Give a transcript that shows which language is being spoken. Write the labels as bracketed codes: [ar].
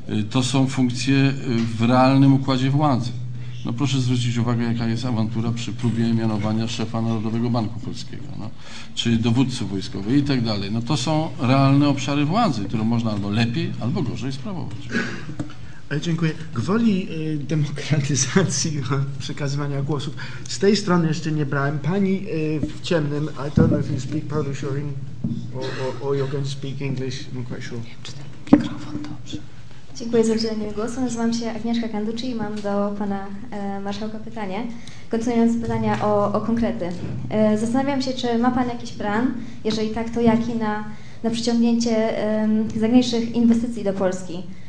[pl] To są funkcje w realnym układzie władzy. No proszę zwrócić uwagę, jaka jest awantura przy próbie mianowania szefa Narodowego Banku Polskiego, no, czy dowódcy wojskowej i tak dalej. No to są realne obszary władzy, które można albo lepiej, albo gorzej sprawować. Dziękuję. Gwoli demokratyzacji przekazywania głosów. Z tej strony jeszcze nie brałem. Pani w ciemnym, [en] I don't know if you speak Polish or, in, or you're going to speak English, I'm quite sure. [pl] Nie, czy ten mikrofon dobrze. Dziękuję za udzielenie głosu. Nazywam się Agnieszka Kanduczy i mam do pana marszałka pytanie. Kontynuując pytania o konkrety. Zastanawiam się, czy ma pan jakiś plan, jeżeli tak, to jaki, na przyciągnięcie zagranicznych inwestycji do Polski.